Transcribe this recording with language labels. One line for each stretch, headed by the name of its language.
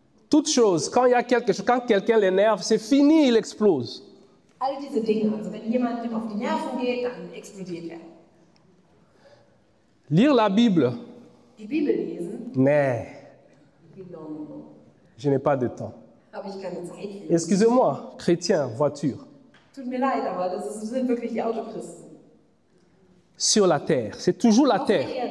French: Toutes choses, quand il y a quelque chose, quand quelqu'un l'énerve, c'est fini, il explose.
German: All diese Dinge, also wenn jemand auf die Nerven geht, dann explodiert er.
French: Lire la Bible.
German: Die Bibel lesen. Nee.
French: Je n'ai pas de temps.
German: Habe ich keine Zeit.
French: Excusez-moi, chrétien, voiture.
German: Tut mir leid, aber das sind wirklich die Autochristen.
French: Sur la terre, c'est toujours la terre.